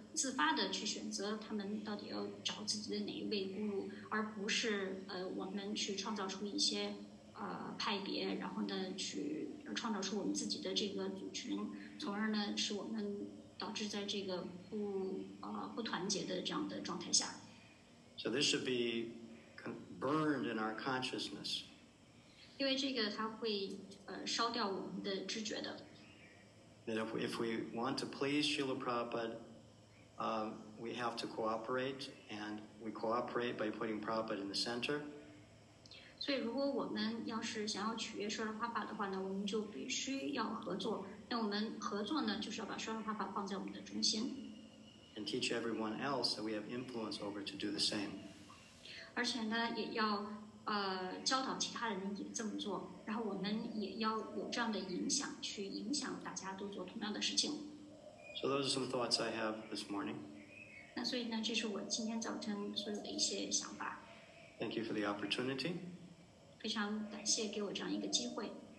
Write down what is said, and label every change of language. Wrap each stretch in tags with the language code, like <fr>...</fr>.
<zh>自发的去选择他们到底要找自己的哪一位guru，而不是我们去创造出一些派别，然后呢去创造出我们自己的这个组群，从而呢使我们导致在这个不团结的这样的状态下。</zh> <en>So this should be burned in our consciousness.</en> <zh>因为这个它会烧掉我们的知觉的。</zh> <en>That if we want to please Srila Prabhupada,we have to cooperate, and we cooperate by putting Prabhupada in the center. So, if we want to please Srila Prabhupada, we have to cooperate. So, we cooperate by putting Prabhupada in the center. And teach everyone else that we have influence over to do the same. And teach everyone else that we have influence over to do the same. So those are some thoughts I have this morning.</en> <zh>那所以呢，这是我今天早晨所有的一些想法。</zh> <en>Thank you for the opportunity.</en> <zh>非常感谢给我这样一个机会。</zh>